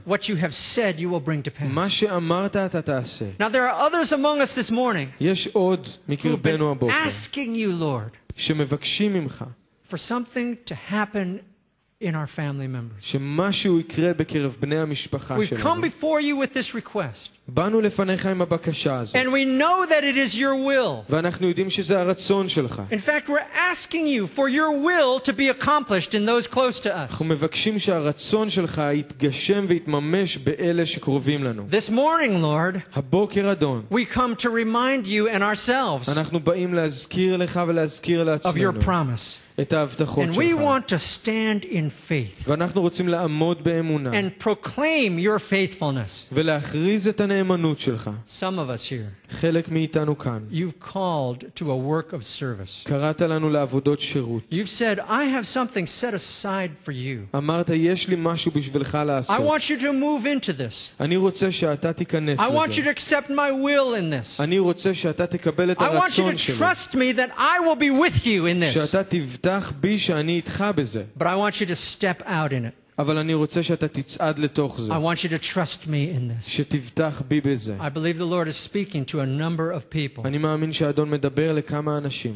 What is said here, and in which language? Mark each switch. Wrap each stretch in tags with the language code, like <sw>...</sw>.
<en>What you have said you will bring to pass.</en> <he>מה שאמרת אתה תעשה.</he> <en>Now there are others among us this morning.</en> <he>יש עוד מקרבנו הבוקר.</he> <en>Asking you Lord.</en> <he>שמבקשים ממך.</he> <en>For something to happen in our family members.</en> <he>שמשהו יקרה בקרב בני המשפחה שלנו.</he> <en>We come before you with this request.</en> <he>באנו לפניך עם הבקשה הזאת.</he> <en>And we know that it is your will.</en> <he>ואנחנו יודעים שזה הרצון שלך.</he> <en>In fact, we're asking you for your will to be accomplished in those close to us.</en> <he>אנחנו מבקשים שהרצון שלך יתגשם ויתממש באלה שקרובים לנו.</he> <en>This morning, Lord,</en> <he>הבוקר אדון,</he> <en>we come to remind you and ourselves.</en> <he>אנחנו באים להזכיר לך ולהזכיר לעצמנו.</he> <en>Of your promise.</en> <he>את ההבטחות שלך.</he> <en>And we want to stand in faith.</en> <he>ואנחנו רוצים לעמוד באמונה.</he> <en>And proclaim your faithfulness.</en> <he>ולהכריז את הנאמנות שלך.</he> <en>Some of us here.</en> <he>חלק מאיתנו כאן.</he> <en>You've called to a work of service.</en> <he>קראת לנו לעבודות שירות.</he> <en>You've said, I have something set aside for you.</en> <he>אמרת, יש לי משהו בשבילך לעשות.</he> <en>I want you to move into this.</en> <he>אני רוצה שאתה תיכנס לזה.</he> <en>I want you to accept my will in this.</en> <he>אני רוצה שאתה תקבל את הרצון שלי.</he> <en>I want you to trust me that I will be with you in this.</en> <he>שאתה תבטח בי שאני איתך בזה.</he> <en>But I want you to step out in it.</en> <he>אבל אני רוצה שאתה תצעד לתוך זה.</he> <en>I want you to trust me in this.</en> <he>שתבטח בי בזה.</he> <en>I believe the Lord is speaking to a number of people.</en> <he>אני מאמין שאדון מדבר לכמה אנשים.</he>